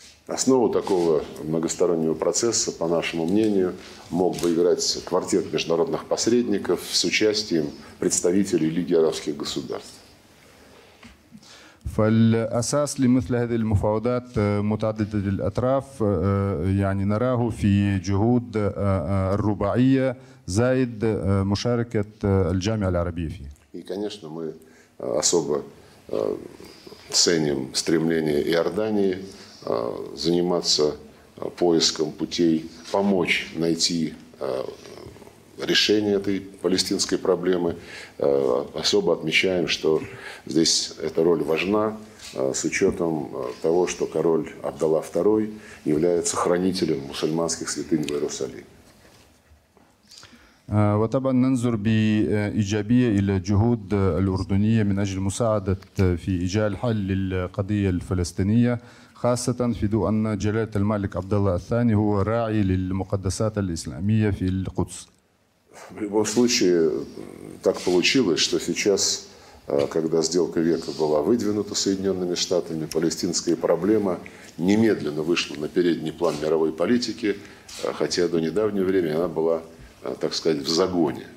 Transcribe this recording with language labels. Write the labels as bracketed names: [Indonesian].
[Russian] Основу такого многостороннего процесса, по нашему мнению, мог бы играть квартет международных посредников с участием представителей Лиги арабских государств. [Arabic] فالأساس لمثل هذه المفاوضات متعددة الأطراف يعني نراه في جهود الرباعية زائد مشاركة الجامعة العربية فيه. [Russian] И, конечно, мы особо ценим стремление Иордании заниматься поиском путей помочь найти решение этой палестинской проблемы. Особо отмечаем, что здесь эта роль важна с учетом того, что король Абдалла II является хранителем мусульманских святынь в Иерусалиме. [Arabic] وطبعا ننظر بإيجابية إلى جهود الأردنية من أجل مساعدة في إيجاد حل للقضية الفلسطينية خاصة في ضوء أن جلالة الملك عبد الله الثاني هو راعي للمقدسات الإسلامية في القدس. [Russian] В любом случае, так получилось, что сейчас, когда сделка века была выдвинута Соединенными Штатами, палестинская проблема немедленно вышла на передний план мировой политики, хотя до недавнего времени она была, так сказать, в загоне.